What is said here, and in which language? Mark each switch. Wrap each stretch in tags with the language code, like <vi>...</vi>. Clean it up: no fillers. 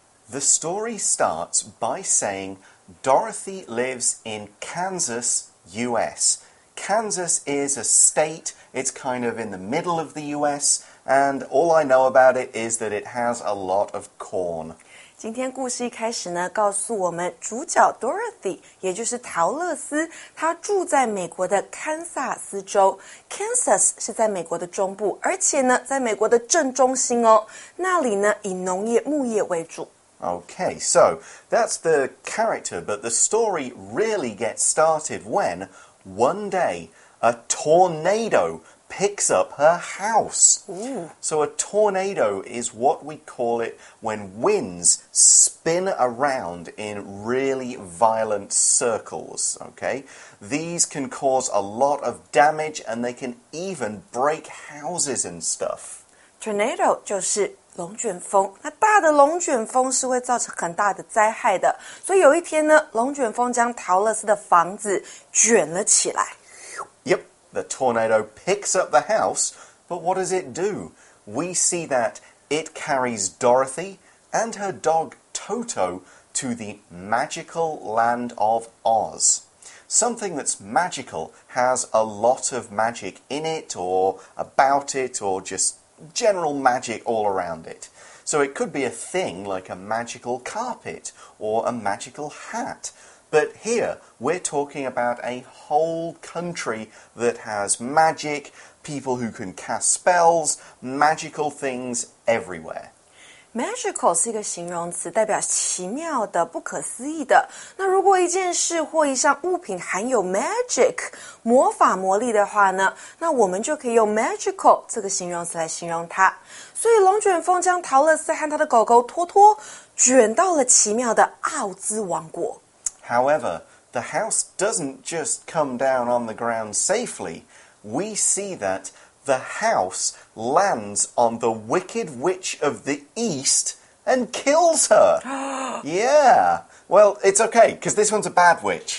<en>The story starts by saying Dorothy lives in Kansas, U.S. Kansas is a state, it's kind of in the middle of the U.S., and all I know about it is that it has a lot of corn.</en> <zh>今天故事一开始呢，告诉我们主角 Dorothy, 也就是陶乐斯，她住在美国的堪萨斯州。 Kansas 是在美国的中部，而且呢，在美国的正中心哦，那里呢，以农业、牧业为主。</zh> <en>Okay, so that's the character, but the story really gets started when, one day, a tornado picks up her house. Ooh. So a tornado is what we call it when winds spin around in really violent circles, okay? These can cause a lot of damage and they can even break houses and stuff.</en> <zh>Tornado 就是龙卷风，那大的龙卷风是会造成很大的灾害的。所以有一天呢，龙卷风将陶乐斯的房子卷了起来。</zh> <en>Yep, the tornado picks up the house, but what does it do? We see that it carries Dorothy and her dog Toto to the magical land of Oz. Something that's magical has a lot of magic in it or about it or just... general magic all around it. So it could be a thing like a magical carpet or a magical hat. But here, we're talking about a whole country that has magic, people who can cast spells, magical things everywhere.</en> <zh>Magical 是一个形容词，代表奇妙的、不可思议的。那如果一件事或一项物品含有 magic 魔法魔力的话呢，那我们就可以用 magical 这个形容词来形容它。所以龙卷风将陶乐斯和他的狗狗托托卷到了奇妙的奥兹王国。</zh> <en>However, the house doesn't just come down on the ground safely. We see that the house lands on the Wicked Witch of the East and kills her. Yeah. Well, it's okay, because this one's a bad witch.</en>